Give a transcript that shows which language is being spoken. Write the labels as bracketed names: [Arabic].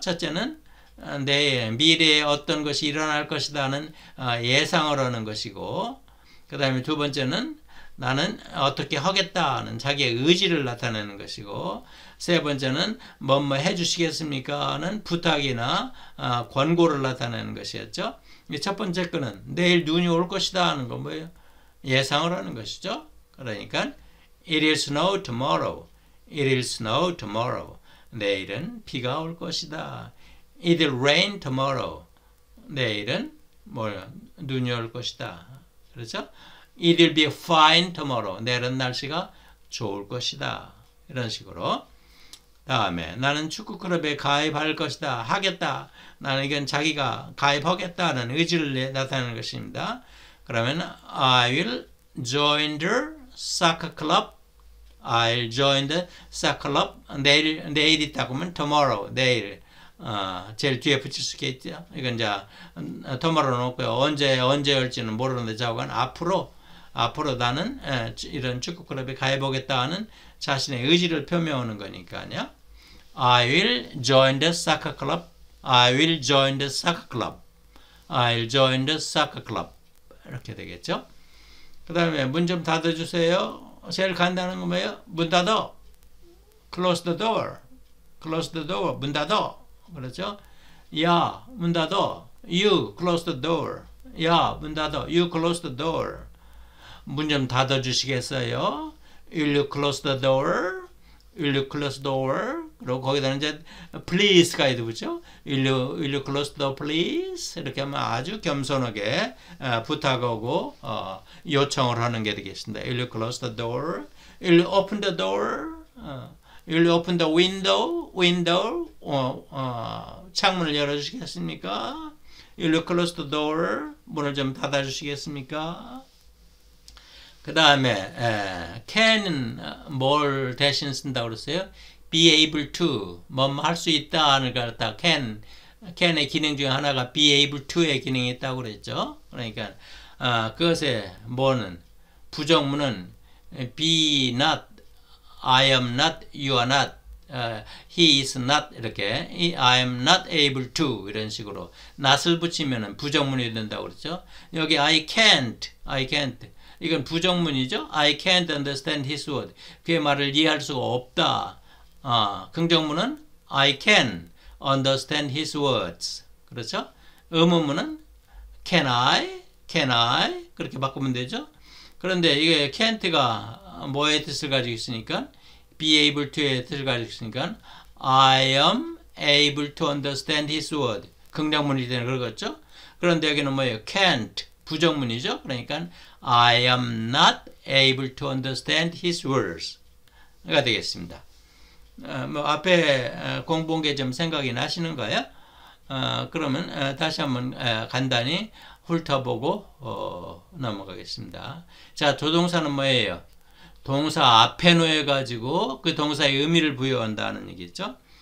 [Korean] 첫째는 미래에 어떤 것이 일어날 것이다는 예상을 하는 것이고, 그 다음에 두 번째는 나는 어떻게 하겠다는 자기의 의지를 나타내는 것이고, 세 번째는 뭐뭐 해주시겠습니까? 하는 부탁이나 권고를 나타내는 것이었죠. 첫 번째 거는 내일 눈이 올 것이다 하는 건 뭐예요? 예상을 하는 것이죠. [English] 그러니까 It will snow tomorrow. It will snow tomorrow. [Korean] 내일은 비가 올 것이다. [English] It will rain tomorrow. [Korean] 내일은 뭘 눈이 올 것이다. 그렇죠? [English] It will be fine tomorrow. [Korean] 내일은 날씨가 좋을 것이다. 이런 식으로. 다음에 나는 축구 클럽에 가입할 것이다. 하겠다. 나는 이건 자기가 가입하겠다는 의지를 나타내는 것입니다. 그러면 [English] I will join the soccer club. I'll join the soccer club. [Korean] 내일 있다고 하면 tomorrow. 내일. 제일 뒤에 붙일 수 있겠죠. 이건 이제 tomorrow 놓고요. 언제 올지는 모르는데 자고는 앞으로 나는 이런 축구 클럽에 가입하겠다 하는 자신의 의지를 표명하는 거니까요. [English] I will join the soccer club. I will join the soccer club. I'll join the soccer club. [Korean] 이렇게 되겠죠. 그 다음에 문 좀 닫아주세요. 제일 간단한 건 뭐예요? 문 닫아. [English] Close the door. Close the door. [Korean] 문 닫아. 그렇죠? 야, 문 닫아. [English] You close the door. [Korean] 야, 문 닫아. [English] You close the door. [Korean] 문 좀 닫아주시겠어요? [English] Will you close the door? Will you close the door? [Korean] 그리고 거기다 이제 please 가이드 붙죠? [English] Will you close the door please? [Korean] 이렇게 하면 아주 겸손하게 부탁하고 요청을 하는 게 되겠습니다. [English] Will you close the door? Will you open the door? Will you open the window? Window? [Korean] 창문을 열어주시겠습니까? [English] Will you close the door? [Korean] 문을 좀 닫아주시겠습니까? 그 다음에 can은 뭘 대신 쓴다고 그랬어요? be able to 뭐뭐 할 수 있다 하는 걸 갖다 can의 기능 중에 하나가 be able to의 기능이 있다고 그랬죠. 그러니까 그것의 뭐는 부정문은 be not, I am not, you are not, he is not 이렇게 [English] I am not able to [Korean] 이런 식으로 not을 붙이면은 부정문이 된다고 그랬죠. 여기 I can't 이건 부정문이죠. [English] I can't understand his word. [Korean] 그의 말을 이해할 수가 없다. [English] 긍정문은 I can understand his words. [Korean] 그렇죠? 의문문은 Can I? 그렇게 바꾸면 되죠. 그런데 이게 can't가 뭐의 뜻을 가지고 있으니까 be able to의 뜻을 가지고 있으니까 [English] I am able to understand his word. [Korean] 긍정문이 되는 거겠죠? 그런데 여기는 뭐예요? can't 부정문이죠. 그러니까 [English] I am not able to understand his words. [Korean] 가 되겠습니다. 뭐 앞에 공부한 게 좀 생각이 나시는가요? 그러면 다시 한번 간단히 훑어보고 넘어가겠습니다. 자, 조동사는 뭐예요? 동사 앞에 놓여가지고 그 동사의 의미를 부여한다는 얘기죠.